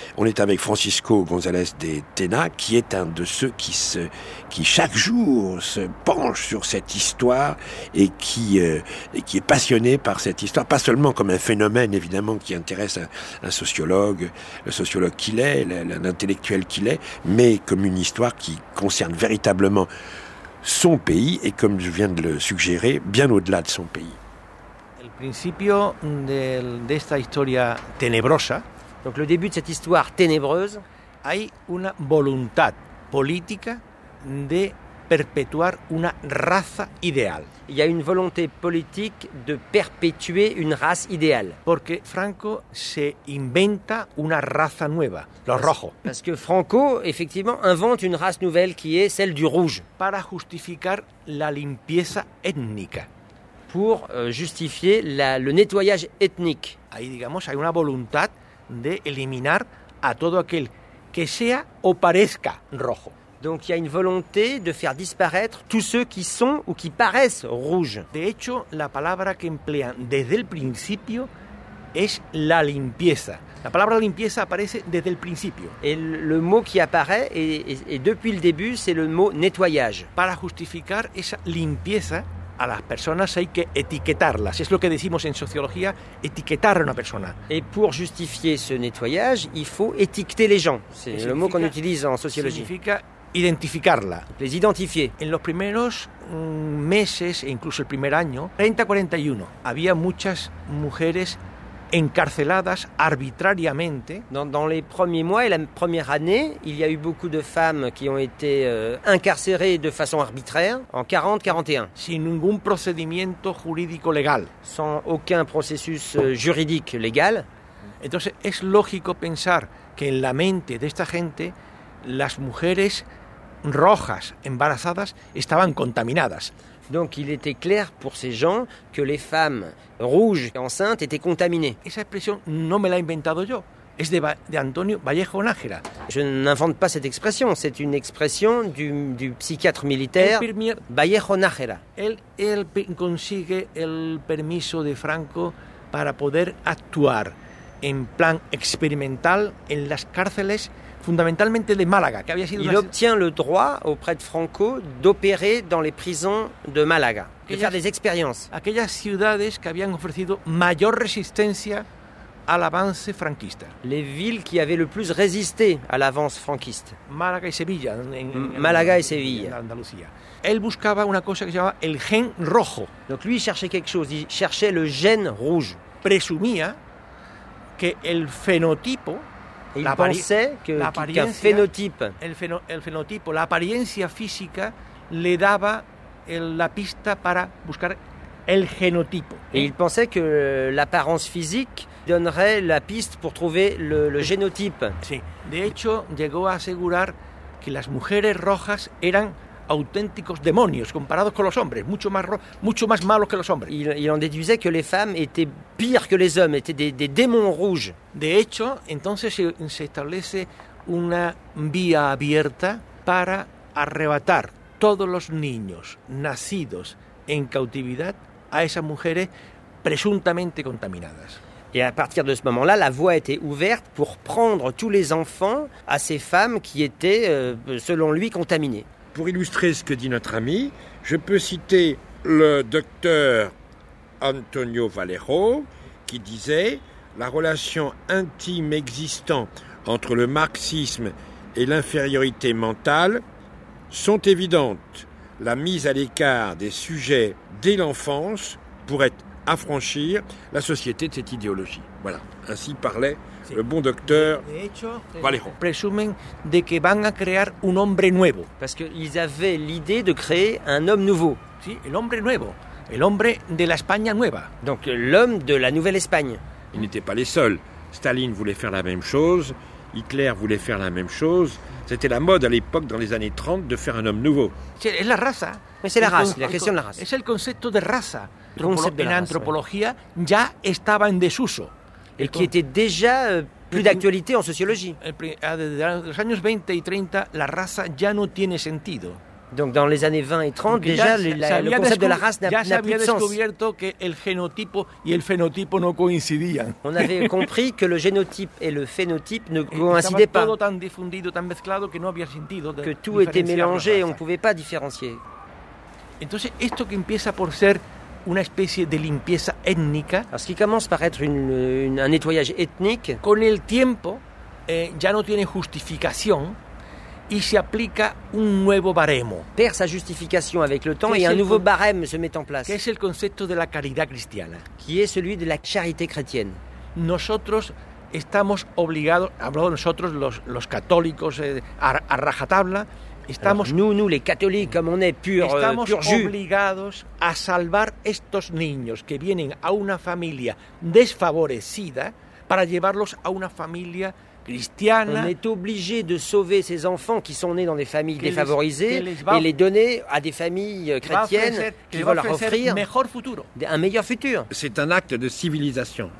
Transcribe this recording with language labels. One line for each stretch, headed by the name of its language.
French: On est avec Francisco González de Tena, qui est un de ceux qui chaque jour se penche sur cette histoire et qui est passionné par cette histoire, pas seulement comme un phénomène évidemment qui intéresse un sociologue, le sociologue qu'il est, l'intellectuel qu'il est, mais comme une histoire qui concerne véritablement son pays et, comme je viens de le suggérer, bien au-delà de son pays. Donc le début de cette histoire ténébreuse,
Spanish: hay una voluntad política de perpetuar una raza ideal.
French: Il y a une volonté politique de perpétuer une race idéale.
Spanish: Porque Franco se inventa una raza nueva, lo rojo.
French: Parce que Franco, effectivement, invente une race nouvelle qui est celle du rouge.
Spanish: Para justificar la limpieza étnica.
French: Pour justifier le nettoyage ethnique.
Spanish: Ahí, digamos, hay una voluntad de eliminar a todo aquel que sea o parezca rojo.
French: Donc il y a une volonté de faire disparaître tous ceux qui sont ou qui paraissent rouges.
Spanish: De hecho, la palabra que emplean desde el principio es la limpieza. La palabra limpieza aparece desde el principio.
French: Et le mot qui apparaît et depuis le début, c'est le mot nettoyage.
Spanish: Para justificar esa limpieza, a las personas hay que etiquetarlas. Es lo que decimos en sociología, etiquetar a una persona.
French: Et pour justifier ce nettoyage, il faut étiqueter les gens. C'est le mot qu'on utilise en sociologie.
Spanish: Significa identificarla.
French: Les identifier.
Spanish: En los primeros meses, e incluso el primer año, 30-41, había muchas mujeres encarceladas arbitrariamente.
French: Dans les premiers mois et la première année, il y a eu beaucoup de femmes qui ont été incarcérées de façon arbitraire en 40-41.
Spanish: Sin ningún procedimiento jurídico legal.
French: Sans aucun processus juridique légal.
Spanish: Entonces, es lógico pensar que en la mente de esta gente, las mujeres rojas embarazadas estaban contaminadas.
French: Donc il était clair pour ces gens que les femmes rouges enceintes étaient contaminées.
Spanish: Esa expresión no me la he inventado yo, es de Antonio Vallejo Nájera.
French: Je n'invente pas cette expression, c'est une expression du psychiatre militaire Vallejo Nájera.
Spanish: Él consigue el permiso de Franco para poder actuar en plan experimental en las cárceles fundamentalement de Malaga,
French: qui avait été... Il obtient le droit auprès de Franco d'opérer dans les prisons de Malaga, de faire des expériences.
Spanish: Aquellas ciudades que habían ofrecido mayor resistencia
French: à l'avance
Spanish: franquista.
French: Les villes qui avaient le plus résisté à l'avance franquiste. Malaga et Sevilla. Malaga et Sevilla.
Spanish: En Andalucía. Él buscaba una cosa que se llamaba el gen rojo.
French: Donc lui cherchait quelque chose, il cherchait le gène rouge.
Spanish: Presumía que el fenotipo...
French: Et il pensait que qu'un phénotype,
Spanish: el fenotipo, l'apariencia física, le daba la pista para buscar el genotipo.
French: Et il pensait que l'apparence physique donnerait la piste pour trouver le génotype.
Spanish: Sí. De hecho, llegó a asegurar que las mujeres rojas eran auténticos demonios comparados con los hombres, mucho más malos que los hombres.
French: Il en déduisait que les femmes étaient pires que les hommes, étaient des démons rouges.
Spanish: De hecho, entonces se establece una vía abierta para arrebatar todos los niños nacidos en cautividad a esas mujeres presuntamente contaminadas.
French: Et à partir de ce moment-là, la voie était ouverte pour prendre tous les enfants à ces femmes qui étaient, selon lui, contaminées. Pour illustrer ce que dit notre ami, je peux citer le docteur Antonio Vallejo qui disait « La relation intime existant entre le marxisme et l'infériorité mentale sont évidentes. La mise à l'écart des sujets dès l'enfance pourrait affranchir la société de cette idéologie. » Voilà, ainsi parlait le bon docteur Vallejo.
Spanish: Presumen de que van a crear un hombre nuevo.
French: Parce qu'ils avaient l'idée de créer un homme nouveau.
Spanish: Sí, el hombre nuevo. El hombre de la España nueva.
French: Donc l'homme de la nouvelle Espagne. Ils n'étaient pas les seuls. Staline voulait faire la même chose. Hitler voulait faire la même chose. C'était la mode à l'époque, dans les années 30, de faire un homme nouveau. C'est la race. Mais c'est la race, la question de la race.
Spanish: Es el concepto de raza. En antropología ya estaba en desuso.
French: Et qui était déjà plus d'actualité en sociologie. Des années 20 et 30,
Spanish: la race ya no tiene sentido.
French: Donc dans les années 20 et 30, déjà le concept de la race n'a plus de sens.
Spanish: Ya que el genotipo y el fenotipo no coincidían.
French: On avait compris que le génotype et le phénotype ne coïncidaient pas.
Spanish: Todo tan difundido, mezclado que no había sentido
French: que tout était mélangé et on ne pouvait pas différencier.
Spanish: Entonces esto que empieza por ser una especie de limpieza étnica,
French: ce qui commence par être un nettoyage ethnique,
Spanish: con el tiempo ya no tiene justificación. Y se aplica un nuevo baremo.
French: Perd sa justification avec le temps et un nouveau barème se met en place.
Spanish: Que es el concepto de la caridad cristiana.
French: Qui est celui de la charité chrétienne.
Spanish: Nosotros estamos obligados, hablo de nosotros, los católicos a rajatabla, estamos...
French: Alors, nous, les catholiques, comme on est purs,
Spanish: estamos
French: pur jus.
Spanish: Obligados a salvar estos niños que vienen a una familia desfavorecida para llevarlos a una familia...
French: On est obligé de sauver ces enfants qui sont nés dans des familles défavorisées et les donner à des familles chrétiennes qui vont leur offrir un meilleur futur. C'est un acte de civilisation.